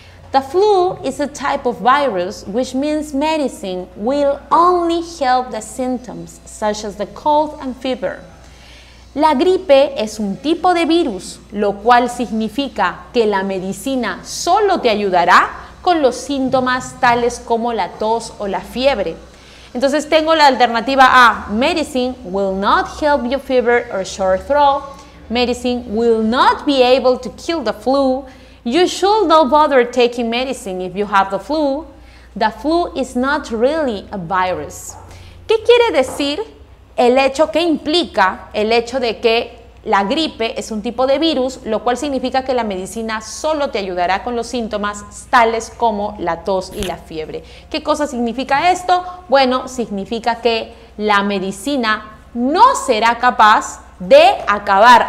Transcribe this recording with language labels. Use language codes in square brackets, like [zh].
[en] The flu is a type of virus, which means medicine will only help the symptoms, such as the cold and fever. [es] La gripe es un tipo de virus, lo cual significa que la medicina solo te ayudará con los síntomas tales como la tos o la fiebre. Entonces tengo la alternativa A, [en] medicine will not help your fever or sore throat. Medicine will not be able to kill the flu. You should not bother taking medicine if you have the flu. The flu is not really a virus. [es] ¿Qué quiere decir el hecho que implica el hecho de que la gripe es un tipo de virus, lo cual significa que la medicina solo te ayudará con los síntomas tales como la tos y la fiebre? ¿Qué cosa significa esto? Bueno, significa que la medicina no será capaz de acabar.